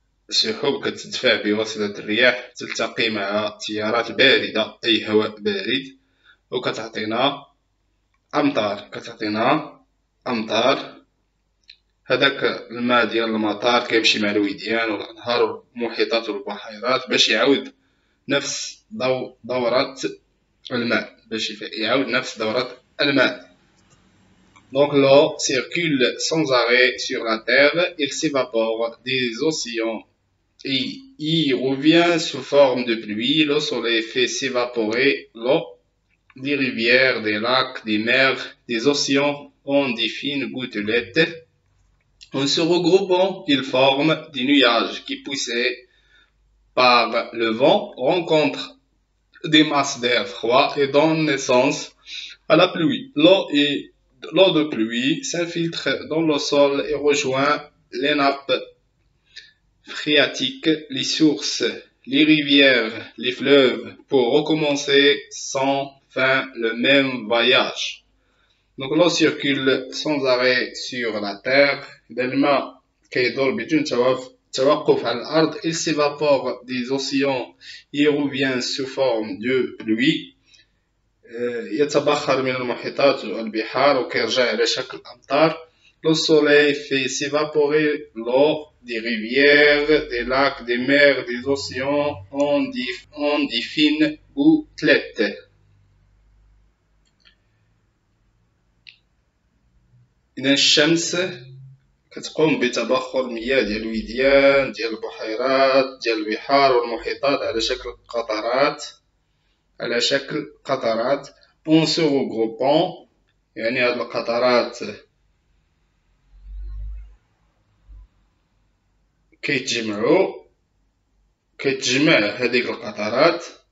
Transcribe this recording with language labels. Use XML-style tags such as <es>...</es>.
<ar>سحب كتدفع بواسطة الرياح تلتقي مع تيارات باردة أي هواء بارد وكتعطينا أمطار، كتعطينا أمطار. هذاك الماء ديال المطار كيمشي مع الوديان والأنهار والمحيطات والبحيرات باش يعاود نفس دورة الماء، باش يعاود نفس دورة الماء.</ar> <fr>Donc l'eau circule sans arrêt sur la terre, il s'évapore des océans et y revient sous forme de pluie. L'eau solaire fait s'évaporer l'eau des rivières, des lacs, des mers, des océans en des fines gouttelettes. En se regroupant, ils forment des nuages qui, poussés par le vent, rencontrent des masses d'air froid et donnent naissance à la pluie. L'eau de pluie s'infiltre dans le sol et rejoint les nappes phréatiques, les sources, les rivières, les fleuves, pour recommencer sans fin le même voyage. Donc l'eau circule sans arrêt sur la terre.</fr> <ar>الماء كيدور بدون توقف على الأرض.</ar> <fr>Il s'évapore des océans et revient sous forme de pluie.</fr> <ar>يتبخر من المحيطات والبحار وكيرجع على شكل أمطار.</ar> <fr>Le soleil fait s'évaporer l'eau des rivières, des lacs, des mers, des océans en des fines gouttelettes.</fr> <ar>إذا الشمس كتقوم بتبخر المياه ديال الوديان ديال البحيرات ديال البحار والمحيطات على شكل قطرات، على شكل قطرات.</ar> <fr>اون سو غروبون،</fr> <ar>يعني هاد القطرات كيتجمعو، كتجمع هذيك القطرات.</ar>